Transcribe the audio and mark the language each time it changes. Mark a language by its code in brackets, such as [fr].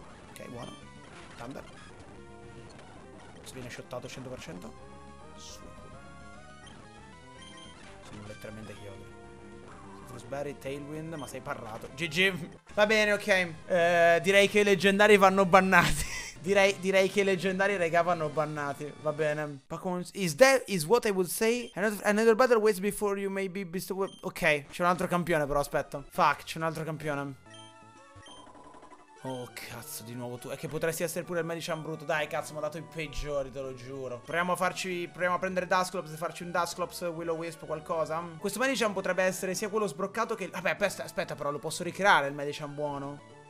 [it] Ok, buono. Thunder. Si viene shottato 100%. Su. Sono letteralmente Kyogre. Frostberry, Tailwind, ma sei parlato. GG. Va bene, ok. Direi che i leggendari vanno bannati. Direi che i leggendari, raga, vanno bannati. Va bene. [en] Pokemon is that is what I would say. Another battle waits before you may be bestowed. [it] Ok, c'è un altro campione però, aspetta. Fuck, c'è un altro campione. Oh, cazzo, di nuovo tu. È che potresti essere pure il Medicham brutto. Dai, cazzo, mi ha dato i peggiori, te lo giuro. Proviamo a prendere Dusclops e farci un Dusclops Will-O-Wisp o qualcosa. Questo Medicham potrebbe essere sia quello sbroccato che... Vabbè, aspetta, però, lo posso ricreare il Medicham buono.